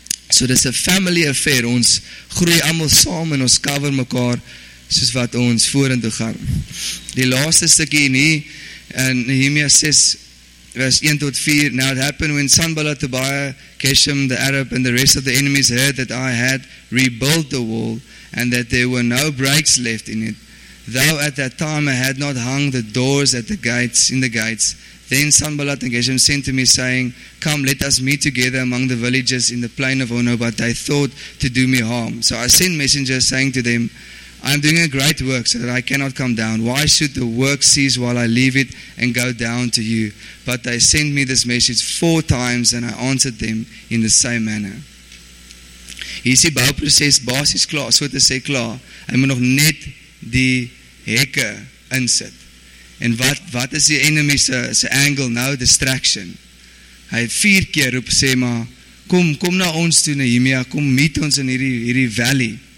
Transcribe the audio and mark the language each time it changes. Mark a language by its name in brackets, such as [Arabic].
[Afrikaans] So dis 'n family affair, ons groei allemaal saam en ons cover mekaar soos wat ons voorintoe gaan. Die laaste stukkie in hier, in Nehemia 6 vers 1 tot 4, [English] Now it happened when Sanballat, Tobiah, Geshem, the Arab and the rest of the enemies heard that I had rebuilt the wall and that there were no breaks left in it. Though at that time I had not hung the doors at the gates, in the gates, then Sanballat and Geshem sent to me saying, Come, let us meet together among the villages in the plain of Ono, but they thought to do me harm. So I sent messengers saying to them, I am doing a great work so that I cannot come down. Why should the work cease while I leave it and go down to you? But they sent me this message 4 times and I answered them in the same manner. [Afrikaans] Hier is die bouproces basis klaar, so te sê klaar. Hy moet nog net die hekke insit. En wat is die enemy se angle nou? Distraction. Hy het 4 keer roep sê maar, kom na ons toe Nehemia, kom meet ons in hierdie valley.